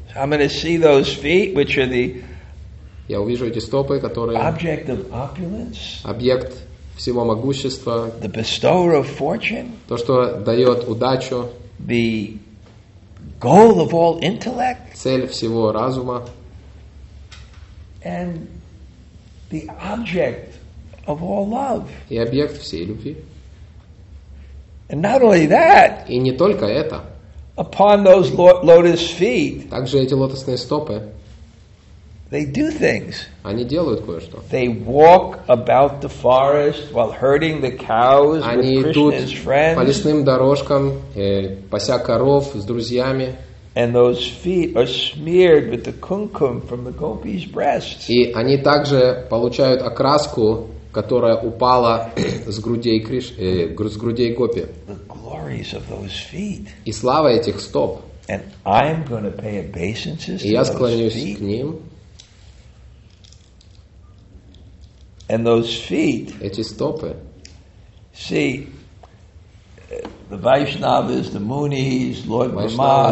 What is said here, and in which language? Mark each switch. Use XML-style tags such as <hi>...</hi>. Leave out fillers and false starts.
<en>So I'm going to see those feet, which are the.</en> <ru>Я увижу эти стопы, которые.</ru> <en>Object of opulence.</en> <ru>Объект всего могущества.</ru> <en>The bestower of fortune.</en> <ru>То, что дает удачу.</ru> <en>The goal of all intellect.</en> <ru>Цель всего разума.</ru> <en>And the object of all love.</en> <ru>И объект всей любви.</ru> <en>And not only that.</en> <ru>И не только это.</ru> <en>Upon those lotus feet.</en> <ru>Также эти лотосные стопы.</ru> <en>They do things.</en> <ru>Они делают кое-что.</ru> <en>They walk about the forest while herding the cows with Krishna's friends.</en> <ru>Они идут по лесным дорожкам, пася коров с друзьями.</ru> <en>And those feet are smeared with the kumkum from the gopis' breasts.</en> <ru>И они также получают окраску, которая упала с грудей с грудей гопи.</ru> <en>The glories of those feet.</en> <ru>И слава этих стоп.</ru> <en>And I'm going to pay obeisances.</en> <ru>И я склонюсь к ним.</ru> <en>And those feet.</en> <ru>Эти стопы.</ru> <en>See, the Vaishnavas, the Munis, Lord Brahma,</en>